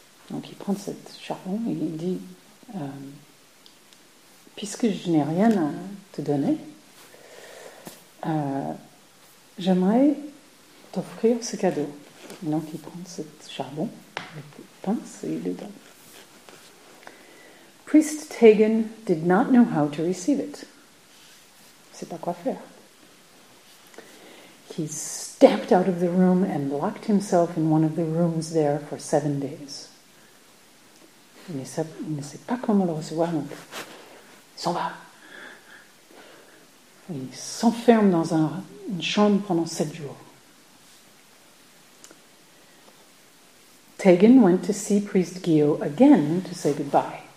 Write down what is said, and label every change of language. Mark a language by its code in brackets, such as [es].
[fr] Donc il prend ce charbon et il dit « Puisque je n'ai rien à te donner, j'aimerais t'offrir ce cadeau. » Donc il prend ce charbon avec les pinces et il le donne. [en] Priest Tagen did not know how to receive it. [fr] Il ne sait pas quoi faire. [en] He stamped out of the room and locked himself in one of the rooms there for 7 days. [fr] Il ne sait pas comment le recevoir, donc il s'en va. Il s'enferme dans une chambre pendant 7 jours. [en] Tagen went to see Priest Gyo again to say goodbye.